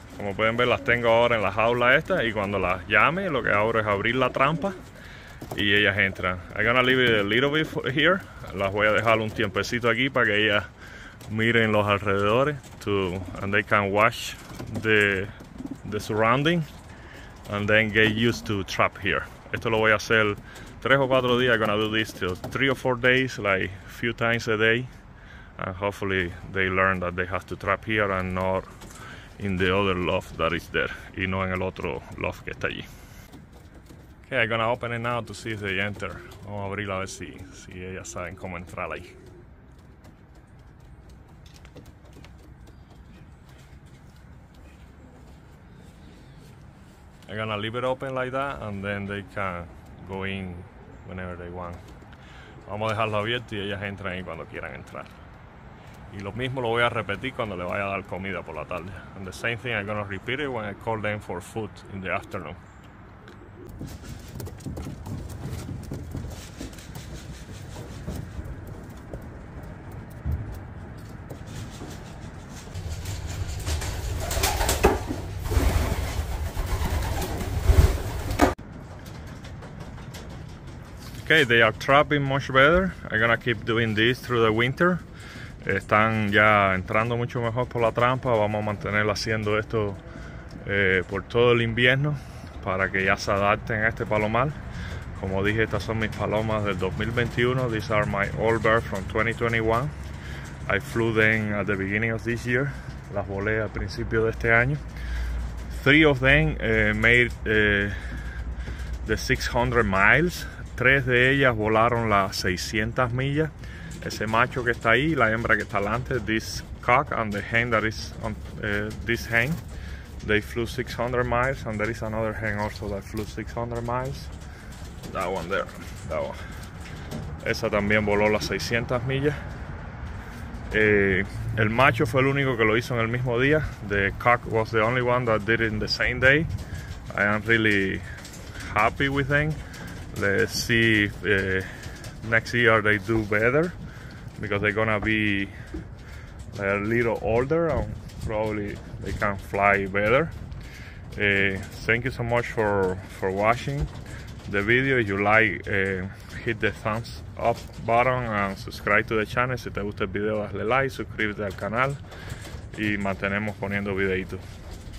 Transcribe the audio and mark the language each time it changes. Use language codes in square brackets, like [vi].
[es] Como pueden ver, las tengo ahora en la jaula esta, y cuando las llame, lo que hago es abrir la trampa y ellas entran. [en] I'm gonna leave it a little bit here. [es] Las voy a dejar un tiempecito aquí para que ellas miren los alrededores [en] and they can watch the surrounding and then get used to trap here. [es] Esto lo voy a hacer 3 o 4 días. [en] I'm gonna do this till 3 or 4 days, like few times a day. And hopefully they learn that they have to trap here and not in the other loft that is there, [es] y no en el otro loft que está allí. [en] Okay, I'm gonna open it now to see if they enter. [es] Vamos a abrirla a ver si ellas saben cómo entrar ahí. [en] I'm gonna leave it open like that, and then they can go in whenever they want. [es] Vamos a dejarlo abierto y ellas entran ahí cuando quieran entrar. Y lo mismo lo voy a repetir cuando le vaya a dar comida por la tarde. [en] And the same thing I'm gonna repeat it when I call them for food in the afternoon. Okay, they are trapping much better. I'm gonna keep doing this through the winter. [es] Están ya entrando mucho mejor por la trampa. Vamos a mantener haciendo esto por todo el invierno para que ya se adapten a este palomar. Como dije, estas son mis palomas del 2021. [en] These are my old birds from 2021. I flew them at the beginning of this year. [es] Las volé al principio de este año. [en] three of them made the 600 miles. [es] Tres de ellas volaron las 600 millas. Ese macho que está ahí, la hembra que está delante, [en] this cock and the hen that is on this hen, they flew 600 miles, [es] and there is another hen also that flew 600 miles. [en] That one there, that one. [es] Esa también voló las 600 millas. El macho fue el único que lo hizo en el mismo día. [en] The cock was the only one that did it in the same day. I am really happy with them. Let's see if next year they do better, because they're gonna be a little older and probably they can fly better. Thank you so much for watching the video. If you like, hit the thumbs up button and subscribe to the channel. [es] Si te gusta el video, dale like, suscríbete al canal y mantenemos poniendo videitos.